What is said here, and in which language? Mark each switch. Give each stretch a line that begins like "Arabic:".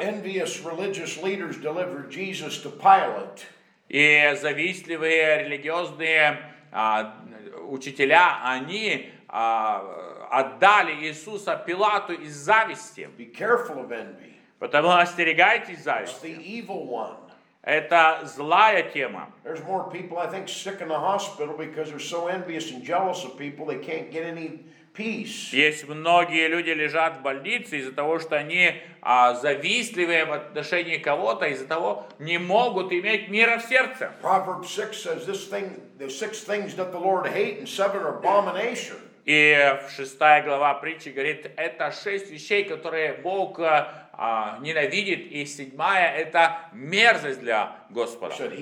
English: Envious religious leaders delivered Jesus to Pilate.
Russian: И завистливые религиозные учителя, они отдали Иисуса Пилату из зависти.
English: Be careful of envy.
Russian: Потому остерегайтесь зависти.
English: It's the evil one.
Russian: Это злая тема.
English: There's more people, I think, sick in the hospital because they're so envious and jealous of people they can't get any peace.
Russian: Есть многие люди лежат в больнице из-за того, что они завистливые в отношении кого-то, из-за того не могут иметь мира в сердце.
English: Proverbs 6 says this thing, the six things that the Lord hates and seven are abominations.
Russian: И в 6 глава притчи говорит, это шесть вещей, которые Бог ненавидит, и 7 это мерзость для Господа.